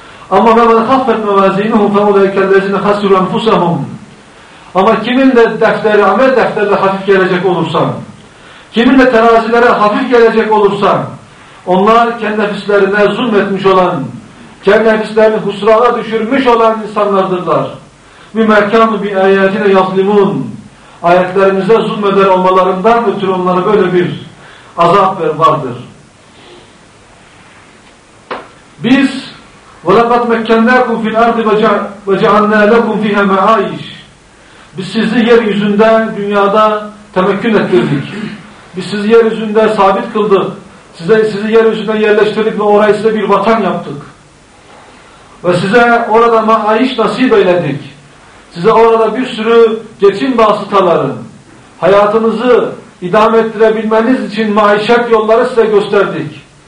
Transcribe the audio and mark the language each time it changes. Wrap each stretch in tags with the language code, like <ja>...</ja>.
<tr>Ama</tr> <ar>وَمَنْ خَفَّتْ مَوَازِينُهُ فَاُولَٰئِكَ الَّذِينَ خَسِرُوا أَنْفُسَهُمْ</ar> <tr>Ama kimin de defteri, amel defterleri hafif gelecek olursa, kimin de terazilere hafif gelecek olursa, onlar kendi nefislerine zulmetmiş olan, kendi nefislerini husrana düşürmüş olan insanlardırlar. Mümerkânı bi ayetine yaslimûn. Ayetlerimize zulmeder olmalarından ötürü onlara böyle bir azap vardır. Biz</tr> <ar>وَلَقَدْ مَكَّنَّاكُمْ فِي الْاَرْضِ وَجَعَلْنَا لَكُمْ فِيهَ مَعَائِشِ</ar> <tr>Biz sizi yeryüzünde, dünyada temekkün ettirdik. Biz sizi yeryüzünde sabit kıldık. Sizi yeryüzünde yerleştirdik ve orayı size bir vatan yaptık. Ve size orada maaş nasip eyledik. Size orada bir sürü geçim vasıtaları, hayatınızı idame ettirebilmeniz için maişet yolları size gösterdik.</tr>